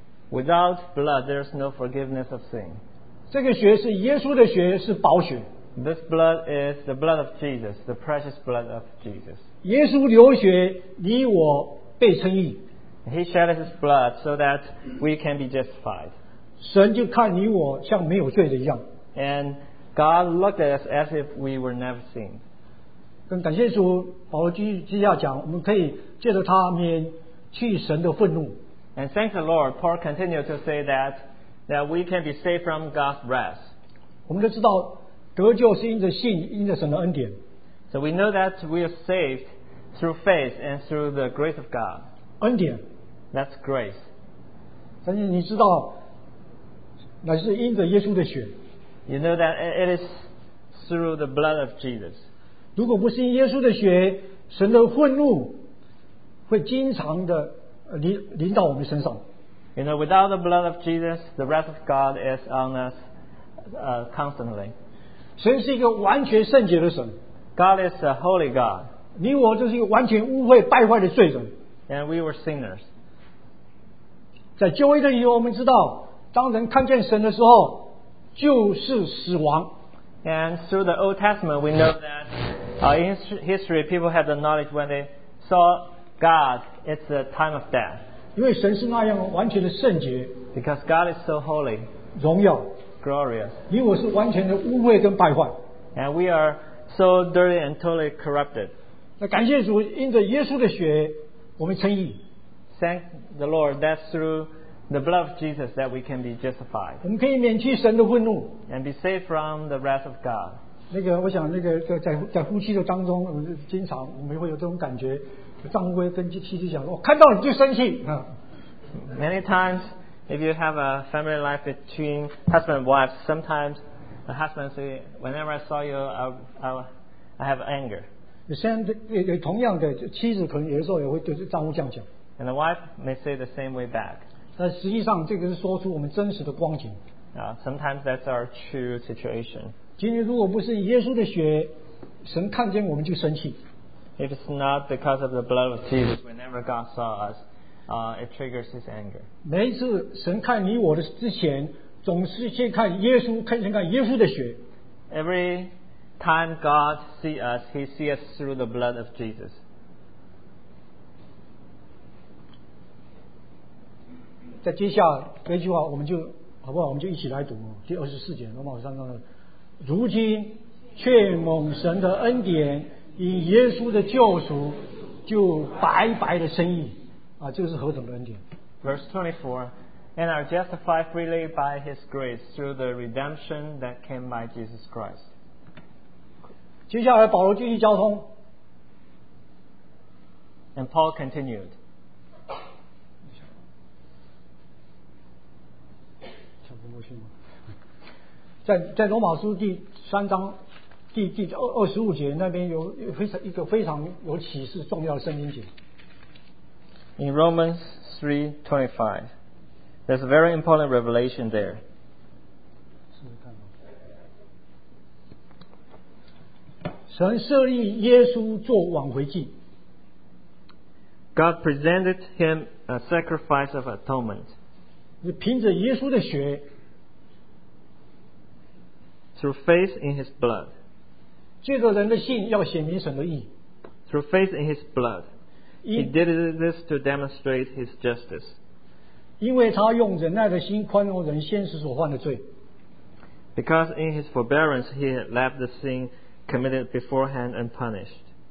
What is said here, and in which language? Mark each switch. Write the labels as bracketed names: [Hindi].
[English] Without blood, there is no forgiveness of sin. [Chinese] 这个血是耶稣的血，是宝血。 [English] This blood is the blood of Jesus, the precious blood of Jesus. [Chinese] 耶稣流血，你我被称义。 [English] He shed his blood so that we can be justified. [Chinese] 神就看你我像没有罪的一样。 [English] And God looked at us as if we were never sinned. [Chinese] 更感谢主，保罗继续接下讲，我们可以借着他免去神的愤怒。 [English] And thank the Lord, Paul continued to say that we can be saved from God's wrath. [Chinese] 我们都知道得救是因着信，因着神的恩典。 [English] So we know that we are saved through faith and through the grace of God. [Chinese] 恩典。 [English] That's grace. [Chinese] 但是你知道，乃是因着耶稣的血。 [English] You know that it is through the blood of Jesus. [Chinese] 如果不是因耶稣的血，神的愤怒会经常的临到我们身上。 [English] You know, without the blood of Jesus, the wrath of God is on us constantly. [Chinese] 神是一个完全圣洁的神。 [English] God is a holy God. [Chinese] 你我就是一个完全污秽败坏的罪人。 [English] And we were sinners. [Chinese] 在旧约的时候，我们知道，当人看见神的时候，就是死亡。 [English] And through the Old Testament, we know that in history, people had the knowledge when they saw God, it's the time of death. [Chinese] 因为神是那样完全的圣洁。 [English] Because God is so holy. [Chinese] 荣耀。 [English] Glorious. [Chinese] 你我是完全的污秽跟败坏。 [English] And we are so dirty and totally corrupted. [Chinese] 那感谢主，因着耶稣的血，我们称义。 [English] Thank the Lord that through the blood of Jesus that we can be justified. [Chinese] 我们可以免去神的愤怒。 [English] And be saved from the wrath of God. [Chinese] 那个，我想那个在呼吸的当中，我们经常我们会有这种感觉，丈夫会跟妻子讲，我看到你就生气啊。 [English] Many times. If you have a family life between husband and wife, sometimes the husband says, whenever I saw you, I have anger. [Chinese] 同样的，妻子可能有的时候也会对丈夫这样讲。 [English] And the wife may say the same way back. [Chinese] 但实际上这个是说出我们真实的光景。 [English] Sometimes that's our true situation. [Chinese] 今天如果不是耶稣的血，神看见我们就生气。 [English] If it's not because of the blood of Jesus, whenever God saw us,it triggers his anger. [Chinese] 每一次神看你我的之前，总是先看耶稣，先看耶稣的血。 [English] Every time God sees us, He sees us through the blood of Jesus. [Chinese] 在接下来那句话，我们就好不好？我们就一起来读第二十四节，罗马书三章的。如今却蒙神的恩典，因耶稣的救赎，就白白的称义。就是何等的恩典。 [English] Verse 24, and are justified freely by His grace through the redemption that came by Jesus Christ. [Chinese] 接下来保罗继续交通。 [English] And Paul continued. [Chinese] 抢不过去吗？在罗马书第三章第二十五节那边有一个非常有启示重要的圣经节。 [English] In Romans 3:25, there's a very important revelation there. God presented him a sacrifice of atonement. [Chinese] 凭着耶稣的血 [English] through faith in his blood. [Chinese] 借着人的信要显明神的义 [English] through faith in his blood. He did this to demonstrate his justice. [Chinese] 因为他用忍耐的心宽容人先死所犯的罪。 [English] Because in his forbearance he had left the sin committed beforehand unpunished.